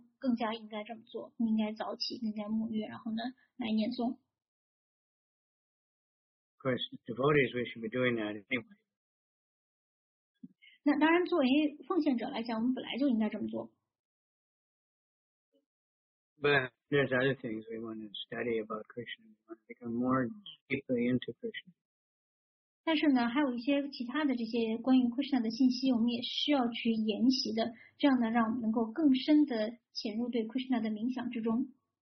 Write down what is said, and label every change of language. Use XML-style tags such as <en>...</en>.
<zh>更加应该这么做，应该早起，应该沐浴，然后呢，来念诵。</zh> <en>Of course, devotees, we should be doing that anyway.</en> <zh>那当然，作为奉献者来讲，我们本来就应该这么做。</zh> <en>But there's other things we want to study about Krishna. We want to become more deeply into Krishna.</en> <zh>但是呢，还有一些其他的这些关于 Krishna 的信息，我们也需要去研习的，这样呢，让我们能够更深的。潜入对 Krishna 的冥想之中。</zh>